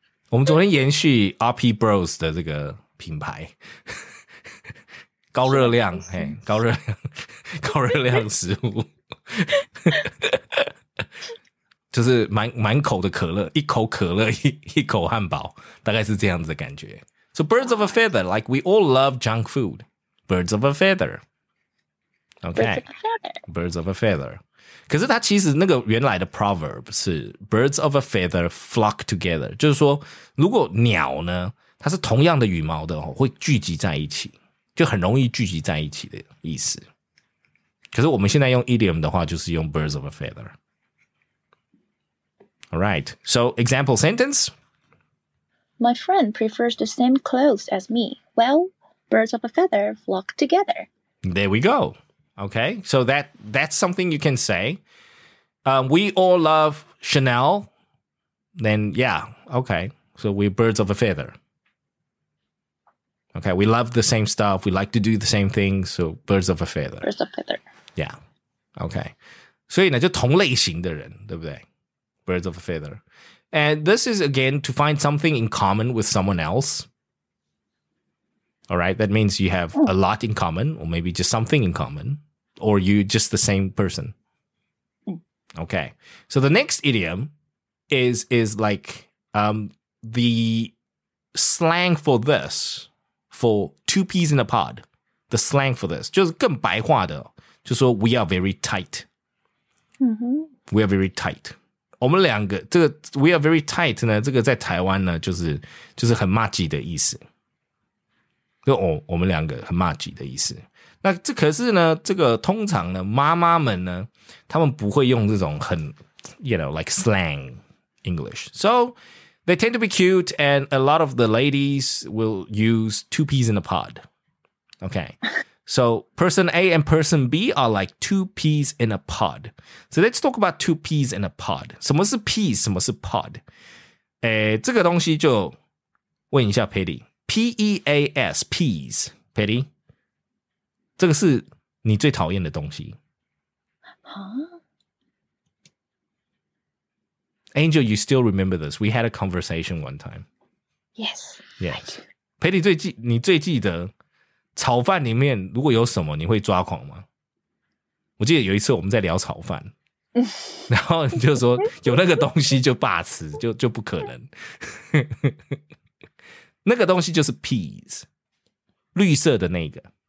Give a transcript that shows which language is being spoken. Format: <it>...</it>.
<zh>我们昨天延续 RP Bros 的这个品牌，高热量，嘿，高热量，高热量食物，就是满口的可乐，一口可乐，一口汉堡，大概是这样子的感觉。</zh> <en>So birds of a feather, like we all love junk food. Birds of a feather. Okay. Birds of a feather. Birds of a feather.</en> <zh>可是它其实那个原来的</zh> <en>proverb 是 birds of a feather flock together.</en> <zh>就是说如果鸟呢它是同样的羽毛的会聚集在一起。就很容易聚集在一起的意思。可是我们现在用 idiom 的话就是用</zh> <en>birds of a feather. Alright. So example sentence. My friend prefers the same clothes as me. Well, birds of a feather flock together. There we go. Okay, so that's something you can say. We all love Chanel. Then, yeah, okay. So we're birds of a feather. Okay, we love the same stuff. We like to do the same thing. So birds of a feather. Birds of a feather. Yeah, okay.</en> <zh>所以呢，就同类型的人，对不对？</zh> <en>Birds of a feather. And this is, again, to find something in common with someone else. All right? That means you have a lot in common, or maybe just something in common, or you're just the same person. Okay. So the next idiom is like the slang for this, for two peas in a pod. The slang for this.</en> <zh>就是更白话的，就说</zh> <en>we are very tight. Mm-hmm. We are very tight.</en> <zh>我们两个这个</zh> <en>we are very tight</en> <zh>呢这个在台湾呢就是很骂鸡的意思。就我们两个很骂鸡的意思。那这可是呢这个通常呢妈妈们呢他们不会用这种很</zh> <en>you know, like slang English. So, they tend to be cute and a lot of the ladies will use two peas in a pod. Okay. So, person A and person B are like two peas in a pod. So, let's talk about two peas in a pod.</en> <zh>什么是 peas? 什么是 pod? 这个东西就问一下 Paddy.</zh> <en>P-E-A-S, peas.</en> <zh>Paddy, 这个是你最讨厌的东西。 Huh?</zh> <en>Angel, you still remember this. We had a conversation one time. Yes. Yes.</en> <zh>Paddy, 你最记得炒饭里面如果有什么你会抓狂吗？我记得有一次我们在聊炒饭，然后你就说有那个东西就罢吃，就不可能。那个东西就是 peas， 绿色的那个。</zh>